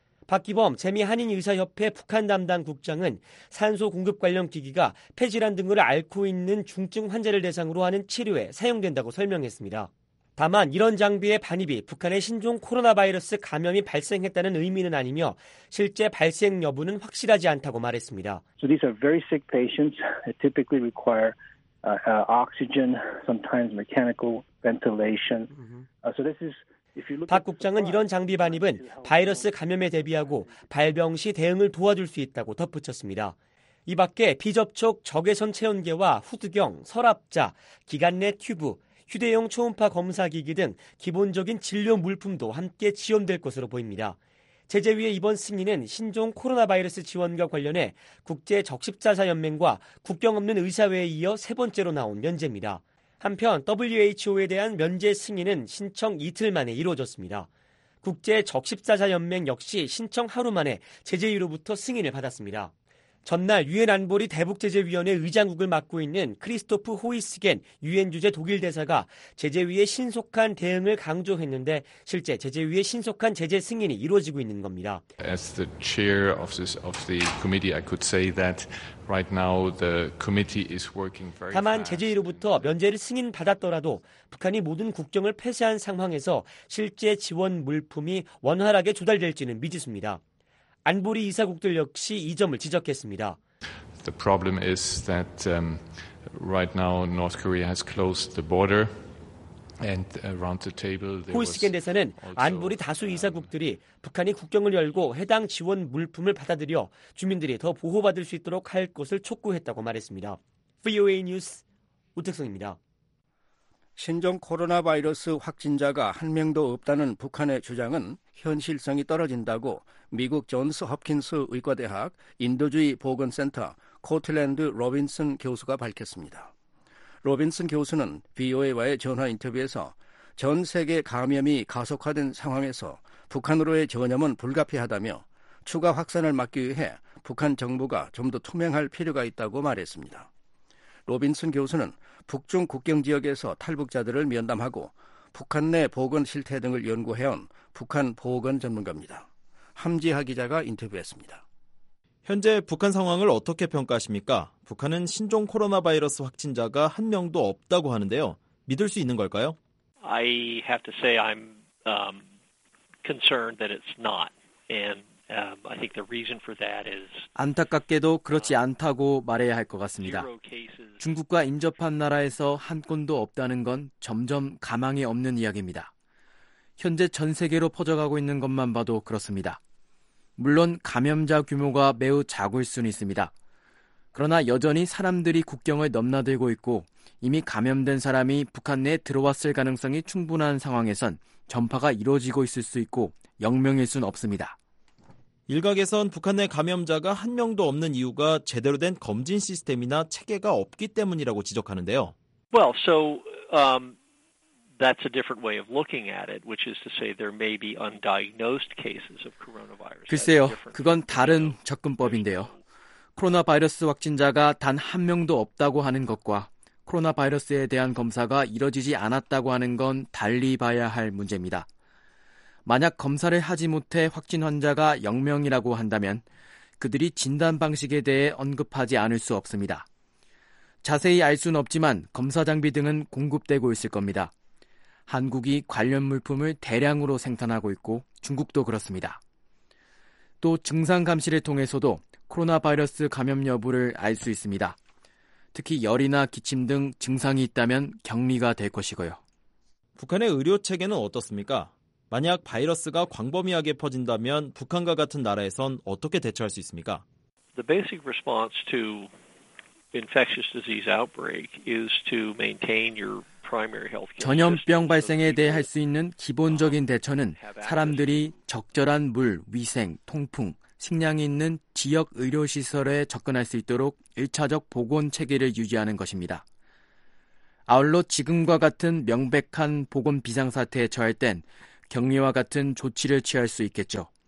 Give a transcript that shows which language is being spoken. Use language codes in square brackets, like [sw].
[ko] 박기범 재미한인의사협회 북한 담당 국장은 산소 공급 관련 기기가 폐질환 등을 앓고 있는 중증 환자를 대상으로 하는 치료에 사용된다고 설명했습니다. 다만 이런 장비의 반입이 북한의 신종 코로나 바이러스 감염이 발생했다는 의미는 아니며 실제 발생 여부는 확실하지 않다고 말했습니다. [en] So these are very sick patients that typically require oxygen, sometimes mechanical ventilation. So this is [ko] 박 국장은 이런 장비 반입은 바이러스 감염에 대비하고 발병 시 대응을 도와줄 수 있다고 덧붙였습니다. 이 밖에 비접촉 적외선 체온계와 후드경, 서랍자, 기관 내 튜브, 휴대용 초음파 검사기기 등 기본적인 진료 물품도 함께 지원될 것으로 보입니다. 제재위의 이번 승인은 신종 코로나 바이러스 지원과 관련해 국제적십자사연맹과 국경 없는 의사회에 이어 세 번째로 나온 면제입니다. 한편 WHO에 대한 면제 승인은 신청 이틀 만에 이루어졌습니다. 국제적십자사연맹 역시 신청 하루 만에 제재위로부터 승인을 받았습니다. 전날 유엔 안보리 대북제재위원회 의장국을 맡고 있는 크리스토프 호이스겐 유엔 주재 독일 대사가 제재위의 신속한 대응을 강조했는데 실제 제재위의 신속한 제재 승인이 이루어지고 있는 겁니다. [en] As the chair of the committee, I could say that right now the committee is working very fast. [ko] 다만 제재위로부터 면제를 승인 받았더라도 북한이 모든 국경을 폐쇄한 상황에서 실제 지원 물품이 원활하게 조달될지는 미지수입니다. 안보리 이사국들 역시 이 점을 지적했습니다. [en] The problem is that right now North Korea has closed the border and around the table there was [ko] 호이스겐 대사는 안보리 다수 이사국들이 북한이 국경을 열고 해당 지원 물품을 받아들여 주민들이 더 보호받을 수 있도록 할 것을 촉구했다고 말했습니다. VOA 뉴스 우택성입니다. 신종 코로나 바이러스 확진자가 한 명도 없다는 북한의 주장은 현실성이 떨어진다고 미국 존스 홉킨스 의과대학 인도주의 보건센터 코틀랜드 로빈슨 교수가 밝혔습니다. 로빈슨 교수는 VOA와의 전화 인터뷰에서 전 세계 감염이 가속화된 상황에서 북한으로의 전염은 불가피하다며 추가 확산을 막기 위해 북한 정부가 좀 더 투명할 필요가 있다고 말했습니다. 로빈슨 교수는 북중 국경 지역에서 탈북자들을 면담하고 북한 내 보건 실태 등을 연구해온 북한 보건 전문가입니다. 함지하 기자가 인터뷰했습니다. 현재 북한 상황을 어떻게 평가하십니까? 북한은 신종 코로나 바이러스 확진자가 한 명도 없다고 하는데요. 믿을 수 있는 걸까요? [en] I have to say I'm concerned that it's not. And I think the reason for that is [ko] 안타깝게도 그렇지 않다고 말해야 할 것 같습니다. 중국과 인접한 나라에서 한 건도 없다는 건 점점 가망이 없는 이야기입니다. 현재 전 세계로 퍼져가고 있는 것만 봐도 그렇습니다. 물론 감염자 규모가 매우 작을 수는 있습니다. 그러나 여전히 사람들이 국경을 넘나들고 있고 이미 감염된 사람이 북한 내에 들어왔을 가능성이 충분한 상황에선 전파가 이루어지고 있을 수 있고 영명일 순 없습니다. 일각에선 북한 내 감염자가 한 명도 없는 이유가 제대로 된 검진 시스템이나 체계가 없기 때문이라고 지적하는데요. [en] Well, so that's a different way of looking at it, which is to say there may be undiagnosed cases of coronavirus. [ko] 글쎄요, 그건 다른 접근법인데요. 코로나 바이러스 확진자가 단 한 명도 없다고 하는 것과 코로나 바이러스에 대한 검사가 이뤄지지 않았다고 하는 건 달리 봐야 할 문제입니다. 만약 검사를 하지 못해 확진 환자가 0명이라고 한다면 그들이 진단 방식에 대해 언급하지 않을 수 없습니다. 자세히 알 수는 없지만 검사 장비 등은 공급되고 있을 겁니다. 한국이 관련 물품을 대량으로 생산하고 있고 중국도 그렇습니다. 또 증상 감시를 통해서도 코로나 바이러스 감염 여부를 알 수 있습니다. 특히 열이나 기침 등 증상이 있다면 격리가 될 것이고요. 북한의 의료 체계는 어떻습니까? 만약 바이러스가 광범위하게 퍼진다면 북한과 같은 나라에선 어떻게 대처할 수 있습니까? [en] The basic response to infectious disease outbreak is to maintain your primary healthcare. [ko] 전염병 발생에 대해 할 수 있는 기본적인 대처는 사람들이 적절한 물, 위생, 통풍, 식량이 있는 지역 의료 시설에 접근할 수 있도록 1차적 보건 체계를 유지하는 것입니다. 아울러 지금과 같은 명백한 보건 비상사태에 처할 땐 격리와 같은 조치를 취할 수 있겠죠.